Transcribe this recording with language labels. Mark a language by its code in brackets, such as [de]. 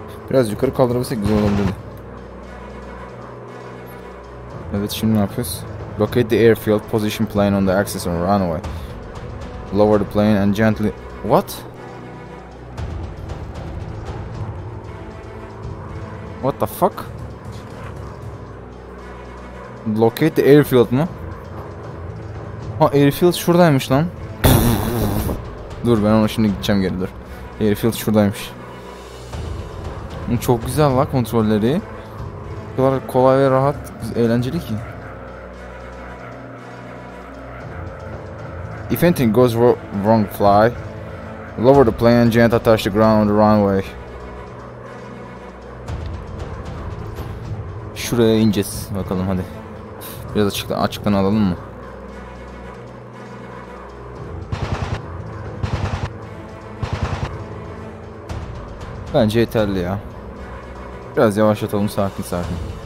[tr] Biraz yukarı kaldırabilsek güzel olabilirdi. Evet şimdi ne yapıyoruz? [en] Locate the airfield position plane on the axis and runway. Lower the plane and gently... What? What the fuck? [tr] Locate the airfield mı? Ha airfield şuradaymış lan. Dur ben ona şimdi gideceğim geri dur. Airfield şuradaymış. Çok güzel lan kontrolleri. O kadar kolay ve rahat, eğlenceli ki. [en] If anything goes wrong, fly. Lower the plane and gently touch the ground on the runway. [tr] Şuraya ineceğiz bakalım hadi. Biraz açıktan alalım mı? Bence yeterli ya. Biraz yavaşlatalım sakin sakin.